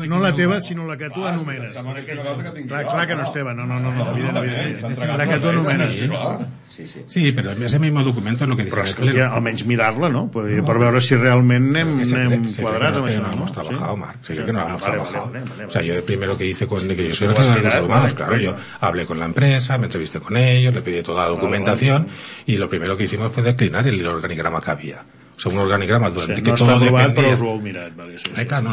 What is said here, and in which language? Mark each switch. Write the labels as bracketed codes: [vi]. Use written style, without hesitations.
[ca] No la teva, sinó la que tu anomenes. Clar que no és teva, no. La que tu anomenes. [es] Sí, però ese mismo documento es lo que dije. [ca] Però és que ja, almenys mirar-la, no? Per veure si realment anem quadrats amb això. [es] No hemos trabajado, Marc. Sí, que no hemos trabajado. O sea, yo el primero que hice con... Que yo soy el de los humanos, claro. Yo hablé con la empresa, me entrevisté con ellos, le pedí toda la documentación y lo primero que hicimos fue declinar el organigrama que había. según organigrama del etiquetado. O sea, no está aprobado, pero os lo mirad, vale, sí, sí, claro, sí.